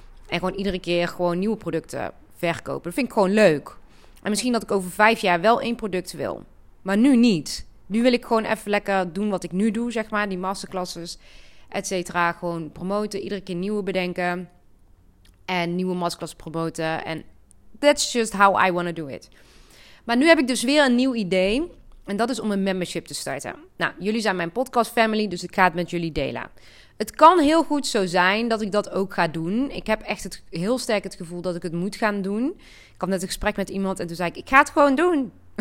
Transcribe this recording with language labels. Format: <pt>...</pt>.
<nl>En gewoon iedere keer gewoon nieuwe producten verkopen. Dat vind ik gewoon leuk. En misschien dat ik over 5 jaar wel 1 product wil. Maar nu niet. Nu wil ik gewoon even lekker doen wat ik nu doe, zeg maar. Die masterclasses, et cetera. Gewoon promoten, iedere keer nieuwe bedenken. En nieuwe masterclass promoten.</nl> <en>En that's just how I want to do it.</en> <nl>Maar nu heb ik dus weer een nieuw idee. En dat is om een membership te starten. Nou, jullie zijn mijn podcast family, dus ik ga het met jullie delen. Het kan heel goed zo zijn dat ik dat ook ga doen. Ik heb echt heel sterk het gevoel dat ik het moet gaan doen. Ik had net een gesprek met iemand en toen zei ik, ga het gewoon doen.</nl>